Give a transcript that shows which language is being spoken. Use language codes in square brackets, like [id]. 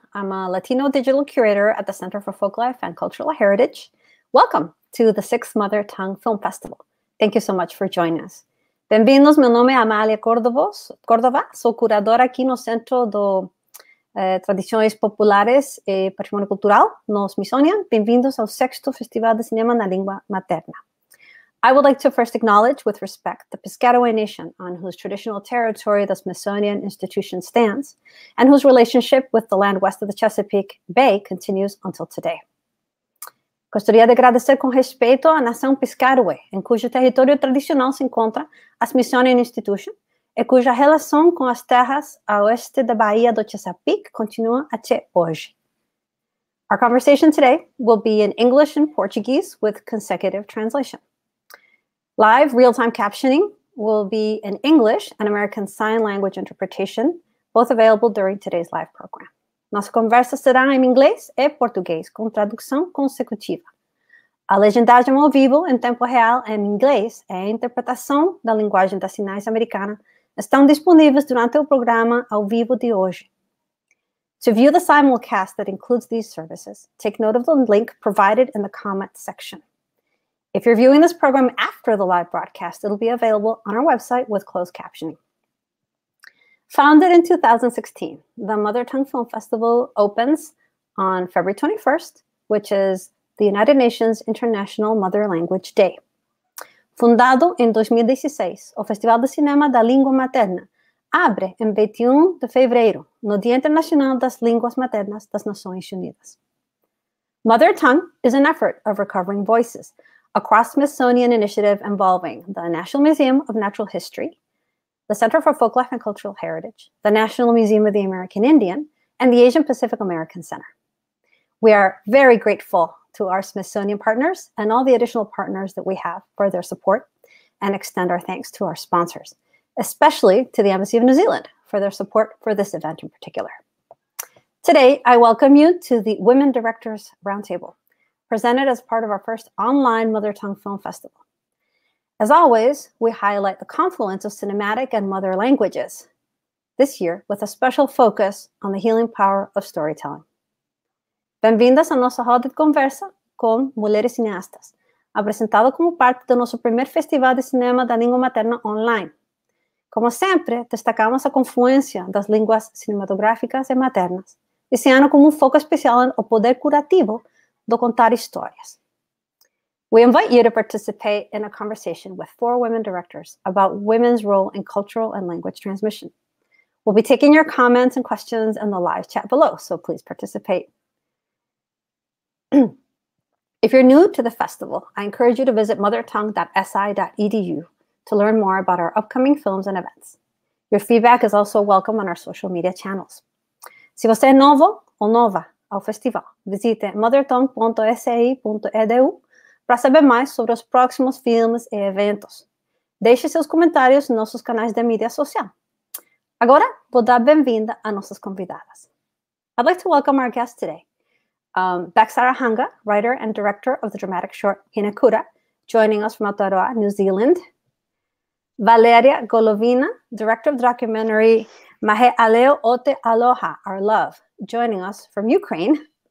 [en] I'm a Latino digital curator at the Center for Folklife and Cultural Heritage. Welcome to the 6th Mother Tongue Film Festival. Thank you so much for joining us. [es] Bienvenidos, mi nombre es Amalia Córdova. Soy curadora aquí en el Centro de Tradiciones Populares y Patrimonio Cultural, en el Smithsonian. Bienvenidos al 6th Festival de Cinema en la Lengua Materna. [en] I would like to first acknowledge with respect the Piscataway Nation on whose traditional territory the Smithsonian Institution stands and whose relationship with the land west of the Chesapeake Bay continues until today. [pt] Gostaria de agradecer com respeito à nação Piscataway, em cujo território tradicional se encontra a Smithsonian Institution e cuja relação com as terras a oeste da Baía do Chesapeake continua até hoje. [en] Our conversation today will be in English and Portuguese with consecutive translation. Live real-time captioning will be in English and American Sign Language interpretation, both available during today's live program. [pt] Nossa conversa será em inglês e português, com tradução consecutiva. A legendagem ao vivo, em tempo real, em inglês, e a interpretação da linguagem das sinais americana estão disponíveis durante o programa ao vivo de hoje. [en] To view the simulcast that includes these services, take note of the link provided in the comment section. If you're viewing this program after the live broadcast, it'll be available on our website with closed captioning. Founded in 2016, the Mother Tongue Film Festival opens on February 21st, which is the United Nations International Mother Language Day. [pt] Fundado em 2016, o Festival de Cinema da Língua Materna abre em 21 de fevereiro, no Dia Internacional das Línguas Maternas das Nações Unidas. [en] Mother Tongue is an effort of recovering voices, a cross-Smithsonian initiative involving the National Museum of Natural History, the Center for Folklife and Cultural Heritage, the National Museum of the American Indian, and the Asian Pacific American Center. We are very grateful to our Smithsonian partners and all the additional partners that we have for their support, and extend our thanks to our sponsors, especially to the Embassy of New Zealand for their support for this event in particular. Today, I welcome you to the Women Directors Roundtable, presented as part of our first online Mother Tongue Film Festival. As always, we highlight the confluence of cinematic and mother languages, this year with a special focus on the healing power of storytelling. [pt] Bem-vindas a nossa roda de conversa com mulheres cineastas, apresentada como parte do nosso primeiro Festival de Cinema da Língua Materna online. Como sempre, destacamos a confluência das línguas cinematográficas e maternas, esse ano como um foco especial no poder curativo do contar histórias. [en] We invite you to participate in a conversation with four women directors about women's role in cultural and language transmission. We'll be taking your comments and questions in the live chat below, so please participate. If you're new to the festival, I encourage you to visit mothertongue.si.edu to learn more about our upcoming films and events. Your feedback is also welcome on our social media channels. [pt] Si você é novo ou nova ao festival, visite mothertongue.si.edu para saber mais sobre os próximos filmes e eventos. Deixe seus comentários nos nossos canais de mídia social. Agora, vou dar bem-vinda a nossas convidadas. [en] I'd like to welcome our guest today. Becs Arahanga, writer and director of the dramatic short Hinekura, joining us from Aotearoa, New Zealand. Valeriya Golovina, director of the documentary Mahe Aleo Ote Aloha, Our Love, joining us from Ukraine.